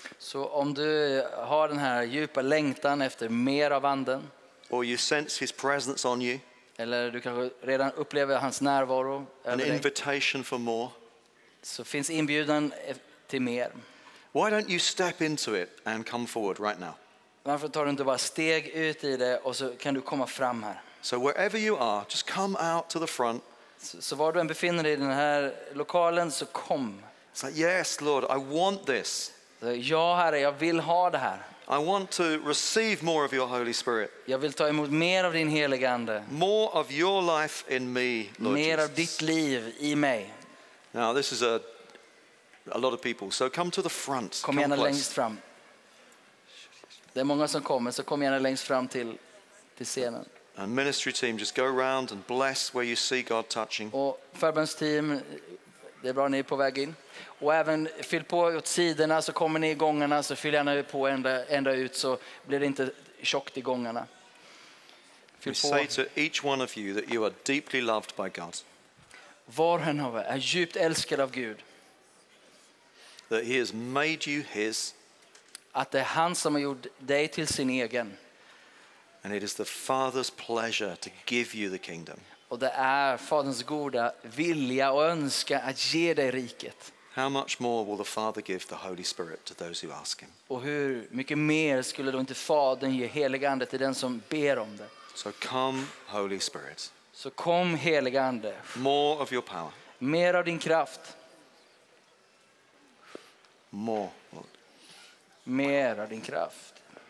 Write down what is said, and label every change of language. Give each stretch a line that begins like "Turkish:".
Swedish: så om du har den här djupa längtan efter mer av anden,
English: or you sense his presence on you,
Swedish: eller du kanske redan upplever hans närvaro,
English: an invitation for more,
Swedish: så finns inbjudan till mer.
English: Why don't you step into it and come forward right now?
Swedish: Varför tar du inte bara steg ut i det och så kan du komma fram här?
English: So wherever you are, just come out to the front.
Swedish: Så var du än befinner dig i den här lokalen, så kom.
English: Yes, Lord, I want this.
Swedish: Ja, Herre, jag vill ha det här.
English: I want to receive more of your Holy Spirit.
Swedish: Jag vill ta emot mer av din helige ande.
English: More of your life in me, Lord.
Swedish: Mer av ditt liv I mig.
English: Now this is a lot of people, so come to the front.
Swedish: Kom gärna längst fram. Det är många som kommer, så kom gärna längst fram till scenen.
English: And ministry team, just go around and bless where you see God touching.
Swedish: Och förbundsteam, det är bra ni är på väg in. Och även fyll på åt sidorna, så kommer ni I gångarna, så fyll gärna på ända ut, så blir det inte tjockt I gångarna. Fyll på.
English: We say to each one of you that you are deeply loved by God.
Swedish: Var och en av er är djupt älskad av Gud.
English: That he has made you his.
Swedish: Att det är han som har gjort dig till sin egen.
English: And it is the Father's pleasure to give you the kingdom.
Swedish: Och det är Faderns goda vilja och önska att ge dig riket.
English: How much more will the Father give the Holy Spirit to those who ask him?
Swedish: Och hur mycket mer skulle då inte Fadern ge helig ande till den som ber om det?
English: So come, Holy Spirit.
Swedish: Så kom helig ande.
English: More of your power.
Swedish: Mer av din kraft.
English: More.
Swedish: Mer av din kraft.